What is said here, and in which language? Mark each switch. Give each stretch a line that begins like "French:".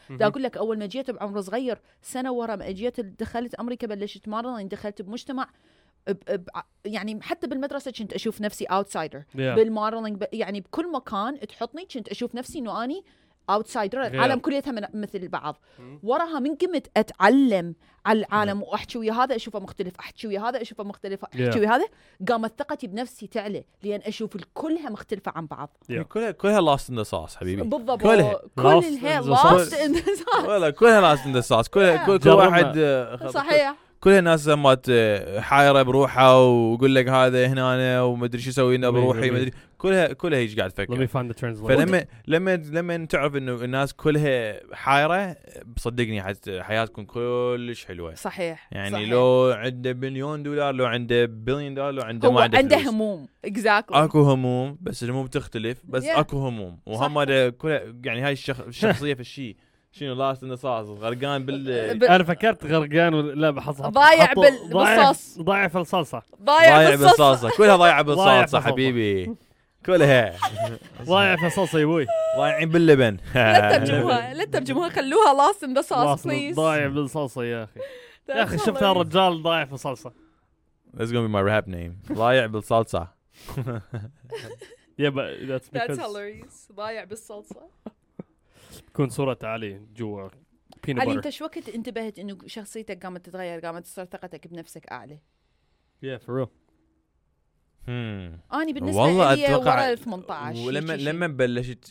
Arabic: دا أقول لك أول ما جيت بعمر صغير سنة ورا ما جيت دخلت أمريكا بلشت مارن دخلت بمجتمع يعني حتى بالمدرسة كنت أشوف نفسي outsider بالمارن يعني بكل مكان تحطني كنت أشوف نفسي إنه أنا outsider. العالم كليتها مثل بعض. وراها من قمت أتعلم على العالم وأحكي ويا هذا أشوفه مختلف أحكي ويا هذا أشوفه مختلف أحكي ويا هذا قامت ثقتي بنفسي تعلى لأن أشوف كلها مختلفة عن بعض. كلها
English: lost in the sauce
Arabic: حبيبي. بالضبط. كلها
English: lost in the sauce.
Arabic: كل واحد صحيح. كل الناس زمات حائرة بروحها وقول لك هذا هنا أنا ومدري شو سوينا بروحي مدري كلها هيج قاعد تفكر.
English: Let me find the translation.
Arabic: فلما لما تعرف إنه الناس كلها حائرة بصدقني حياتكم كلش حلوة. صحيح. يعني صحيح. لو عنده بليون دولار لو عنده بليون دولار لو عنده ما عنده فلوس. هموم.
English: Exactly.
Arabic: أكو هموم بس الهموم تختلف بس أكو هموم وهم هذا كل يعني هاي الشخصية في الشيء. شنو
English: lost in الصاص
Arabic: غرقان بال انا فكرت غرقان ولا بحصها ضايع بالصاص ضايع في الصلصه ضايع بالصلصه كلها ضايع بالصلصه حبيبي كلها ضايع في الصلصه يا ابوي ضايعين باللبن لا ترجموها خلوها
English: lost in الصاص
Arabic: ضايع بالصلصه يا اخي شفت هالرجال ضايع في الصلصه
English: this is going to be my rap name
Arabic: ضايع بالصلصه
English: yeah but that's hilarious
Arabic: ضايع بالصلصه كون صورة علي جوا بينا علي انت شو وقت انتبهت انه شخصيتك قامت تتغير قامت تصير ثقتك بنفسك اعلى
English: yeah for real
Arabic: انا بالنسبة والله لي اتوقع ورا 18